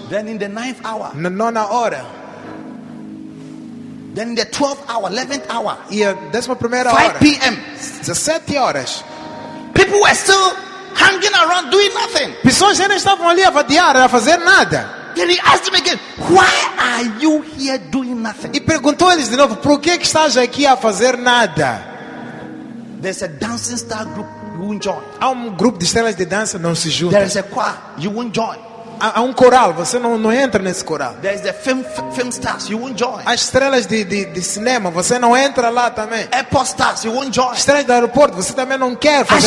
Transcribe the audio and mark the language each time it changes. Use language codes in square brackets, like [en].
[en] Then in the ninth hour. [pt] Na nona hora. [en] Then in the 12th hour, 11th hour. [pt] E a décima primeira [en] hora. 5 p.m. [pt] 17 horas. [en] People were still hanging around doing nothing. [pt] Pessoas ainda estavam ali a vadiar, a fazer nada. [en] Then he asked them again, why are you here doing nothing? [pt] E perguntou eles de novo, por que estás aqui a fazer nada? [en] There's a dancing star group you won't join. [pt] Há um grupo de estrelas de dança, não se junta. [en] There is a choir you won't join. [pt] Há um coral, você não entra nesse coral. [en] There is the film stars you won't join. [pt] As estrelas de cinema, você não entra lá também. [en] Airport stars you won't join. [pt] Estrelas do aeroporto, você também não quer fazer